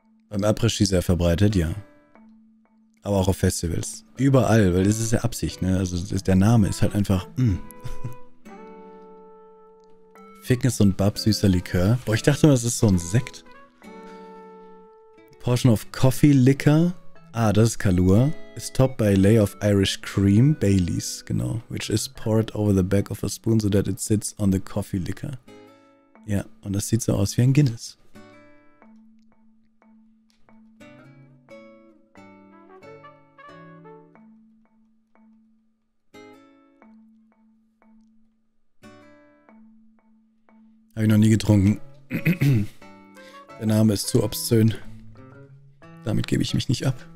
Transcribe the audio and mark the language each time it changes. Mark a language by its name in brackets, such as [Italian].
[German] Beim Après-Ski sehr verbreitet, ja. Aber auch auf Festivals. Überall, weil das ist ja Absicht, ne? Also ist, der Name ist halt einfach... Fitness und Bub, süßer Likör. Boah, ich dachte immer, das ist so ein Sekt. [English] Portion of Coffee Liquor. [German] Ah, das ist Kahlua. [English] Is topped by a layer of Irish cream, Baileys, [German] genau. [English] Which is poured over the back of a spoon so that it sits on the coffee liquor. [German] Ja, und das sieht so aus wie ein Guinness. Habe ich noch nie getrunken. Der Name ist zu obszön. Damit gebe ich mich nicht ab.